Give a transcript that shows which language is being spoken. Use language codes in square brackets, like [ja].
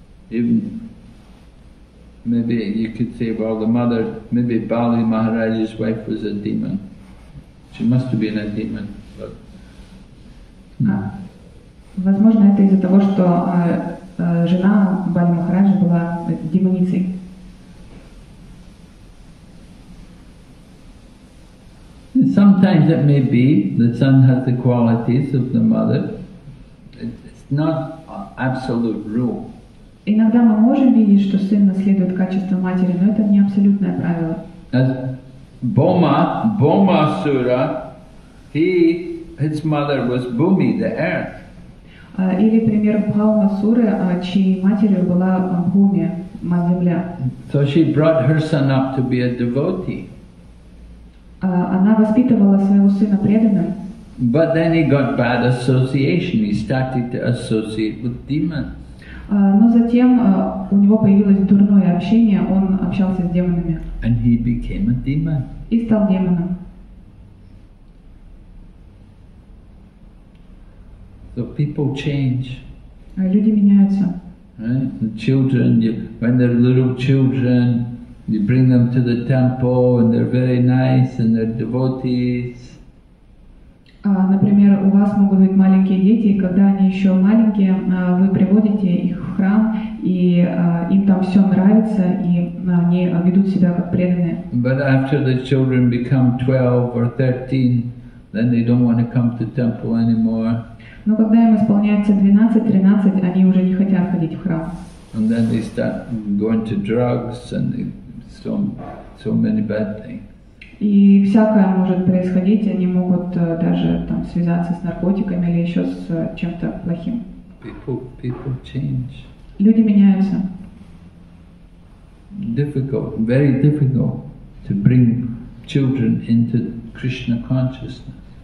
[en] Even maybe you could say, well, the mother, maybe Bali Maharaj's wife was a demon. She must have been a demon. But, [ru] Возможно, это из-за того, что жена Бали Махараджа была демоницей. [en] sometimes it may be the son has the qualities of the mother. It's not an absolute rule. [ru] Иногда мы можем видеть, что сын наследует качества матери, но это не абсолютное правило. [en] As Bhoma-sura, his mother was Bhumi, the earth. [ru] Или пример Бхаума-суры, чьей матерью была Бхуми, мать земля. [en] So she brought her son up to be a devotee. [ru] Она воспитывала своего сына преданным. [en] But then he got bad association. He started to associate with demons. [ru] Но затем у него появилось дурное общение. Он общался с демонами. [en] And he became a demon. [ru] И стал демоном. [en] So people change. [ru] Люди меняются. [en] Right? The children, when they're little children, you bring them to the temple, and they're very nice, and they're devotees. [ru] Например, у вас могут быть маленькие дети, и когда они еще маленькие, вы приводите их в храм, и им там все нравится, и они ведут себя как преданные. [en] But after the children become 12 or 13, then they don't want to come to temple anymore. [ru] Но когда им исполняется 12-13, они уже не хотят ходить в храм. [en] And then they start going to drugs, and they so many bad things. [ru] И всякое может происходить, они могут даже там связаться с наркотиками или еще с чем-то плохим. [en] People change. [ru] Люди меняются. [en] Difficult, very difficult to bring children into Krishna consciousness.